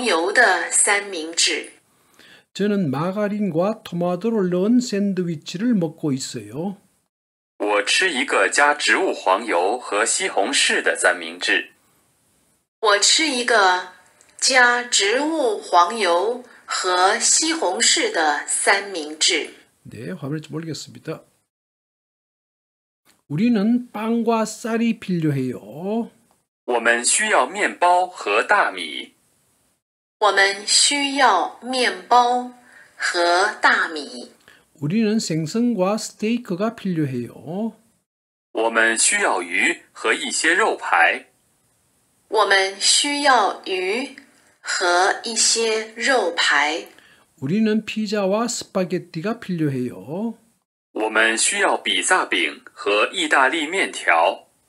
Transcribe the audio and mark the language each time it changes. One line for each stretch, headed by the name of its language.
Chinese: 我吃一个加植物黄油的三明治.
Korean: 저는 마가린과 토마토를 넣은 샌드위치를 먹고 있어요.
Chinese: 我吃一个加植物黄油和西红柿的三明治. 我吃一个加植物黄油和西红柿的三明治.
Korean: 네, 화면을 모르겠습니다. 우리는 빵과 쌀이 필요해요.
Chinese: 我们需要面包和大米. 我们需要面包和大米.
Korean: 우리는 생선과 스테이크가 필요해요.
Chinese: 我们需要鱼和一些肉排. 我们需要鱼和一些肉排.
Korean: 우리는 피자와 스파게티가 필요해요.
Chinese: 我们需要比萨饼和意大利面条.